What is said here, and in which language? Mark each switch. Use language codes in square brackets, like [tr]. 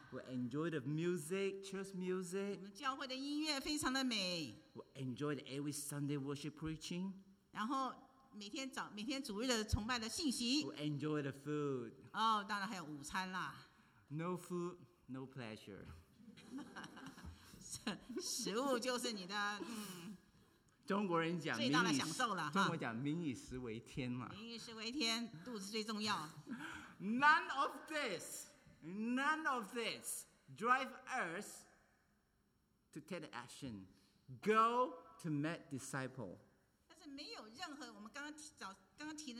[en] We enjoy the music, church music. [zh] 我们教会的音乐非常的美。 [en] We enjoy the every Sunday worship preaching. [zh] 然后每天主日的崇拜的信息。 [en] We enjoy the food. [zh] 哦，当然还有午餐啦。 [en] No food, no pleasure. [zh] 食物就是你的。中国人讲民以食为天嘛，民以食为天，肚子最重要。 [en] None of this, none of this drive us to take action, go to make disciple. [zh] 但是没有任何我们刚刚提早刚刚